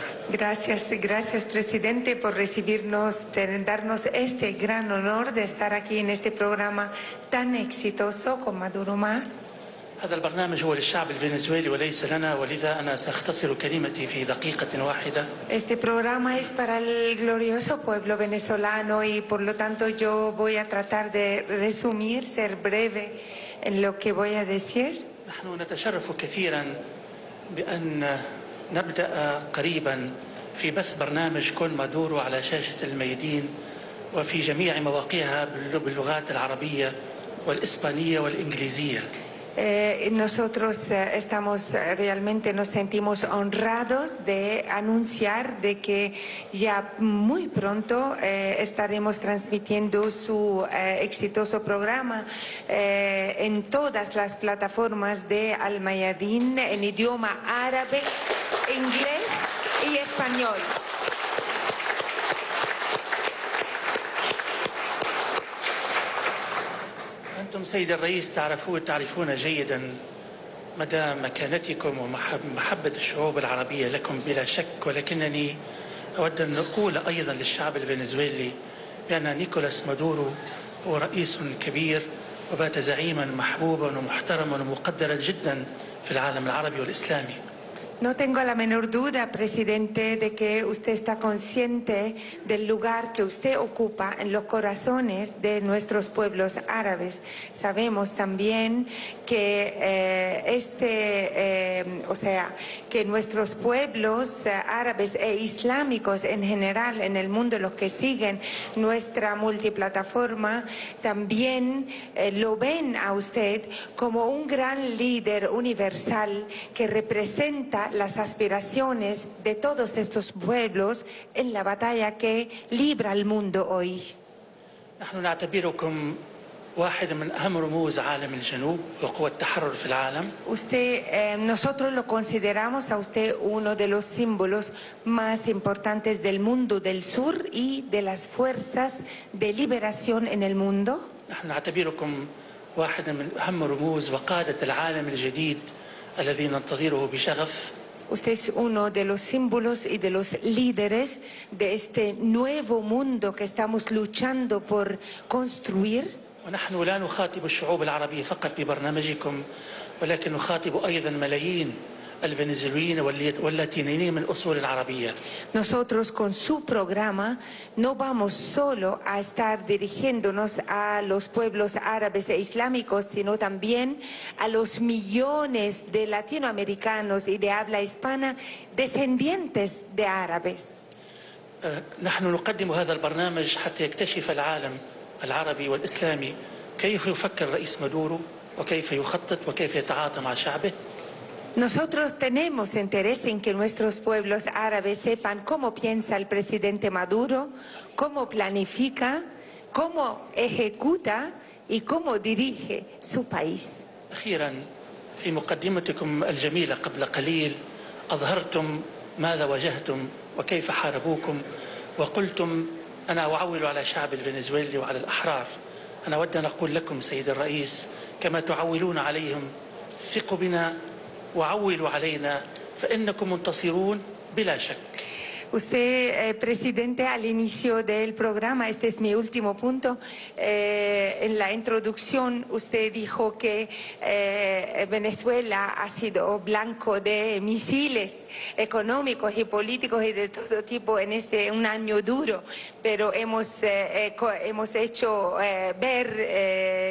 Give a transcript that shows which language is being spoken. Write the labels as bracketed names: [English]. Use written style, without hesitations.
[Spanish] Gracias, gracias, presidente, por recibirnos, darnos este gran honor de estar aquí en este programa tan exitoso con Maduro Más. [Arabic] هذا البرنامج هو للشعب الفنزويلي وليس لنا ولذا انا ساختصر كلمتي في دقيقه واحده [Spanish] Este programa es para el glorioso pueblo venezolano y por lo tanto yo voy a tratar de resumir ser breve en lo que voy a decir [Arabic] نحن نتشرف كثيرا بان نبدا قريبا في بث برنامج كون مادورو على شاشه الميادين وفي جميع مواقعها باللغات العربيه والاسبانيه والانجليزيه [Spanish] Nosotros estamos realmente nos sentimos honrados de anunciar de que ya muy pronto estaremos transmitiendo su exitoso programa en todas las plataformas de Al Mayadín en idioma árabe, inglés y español. [Arabic] أنتم سيد الرئيس تعرفون جيدا مدى مكانتكم ومحبة الشعوب العربية لكم بلا شك ولكنني أود أن أقول أيضا للشعب الفنزويلي بأن نيكولاس مادورو هو رئيس كبير وبات زعيما محبوبا ومحترما ومقدرا جدا في العالم العربي والإسلامي [Spanish] No tengo la menor duda, presidente, de que usted está consciente del lugar que usted ocupa en los corazones de nuestros pueblos árabes. Sabemos también que que nuestros pueblos árabes e islámicos en general en el mundo, los que siguen nuestra multiplataforma, también lo ven a usted como un gran líder universal que representa las aspiraciones de todos estos pueblos en la batalla que libra el mundo hoy. [Arabic] نحن نعتبركم واحد من أهم رموز عالم الجنوب وقوة التحرر في العالم. [Spanish] Usted, nosotros lo consideramos a usted uno de los símbolos más importantes del mundo del sur y de las fuerzas de liberación en el mundo. [Arabic] نحن نعتبركم واحد من أهم رموز وقادة العالم الجديد الذي ننتظره بشغف. [Spanish] Usted es uno de los símbolos y de los líderes de este nuevo mundo que estamos luchando por construir. [Arabic] ونحن لا نخاطب الشعوب العربية فقط ببرنامجكم ولكن نخاطب أيضا ملايين الفنزويليين واللاتينيين من أصول عربية. [Spanish] Nosotros con su programa no vamos solo a estar dirigiéndonos a los pueblos árabes e islámicos, sino también a los millones de latinoamericanos y de habla hispana descendientes de árabes. [Arabic] نحن نقدم هذا البرنامج حتى يكتشف العالم العربي والإسلامي كيف يفكر الرئيس مادورو وكيف يخطط وكيف يتعاطى مع شعبه. [Spanish] Nosotros tenemos interés en que nuestros pueblos árabes sepan cómo piensa el presidente Maduro, cómo planifica, cómo ejecuta y cómo dirige su país. [Arabic] أخيرا في مقدمتكم الجميلة قبل قليل أظهرتم ماذا واجهتم وكيف حاربوكم وقلتم أنا أعول على شعب الفنزويلي وعلى الأحرار. أنا أود أن أقول لكم سيد الرئيس كما تعولون عليهم ثقوا بنا وعولوا علينا فإنكم منتصرون بلا شك. [Spanish] Usted, presidente, al inicio del programa, este es mi último punto, en la introducción usted dijo que Venezuela ha sido blanco de misiles económicos y políticos y de todo tipo en este un año duro, pero hemos hecho ver